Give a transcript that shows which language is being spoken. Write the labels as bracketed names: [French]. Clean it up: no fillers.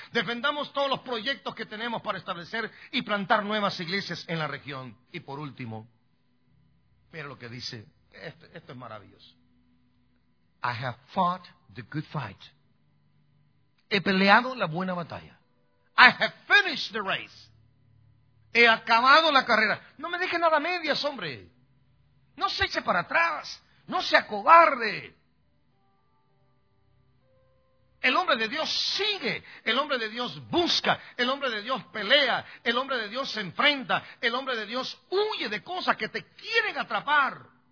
[Spanish] Defendamos todos los proyectos que tenemos para establecer y plantar nuevas iglesias en la región. Y por último, mira lo que dice. Esto es maravilloso. [English] I have fought the good fight. [Spanish] He peleado la buena batalla. [English] I have finished the race. [Spanish] He acabado la carrera. No me deje nada a medias, hombre. No se eche para atrás. No se acobarde. El hombre de Dios sigue. El hombre de Dios busca. El hombre de Dios pelea. El hombre de Dios se enfrenta. El hombre de Dios huye de cosas que te quieren atrapar.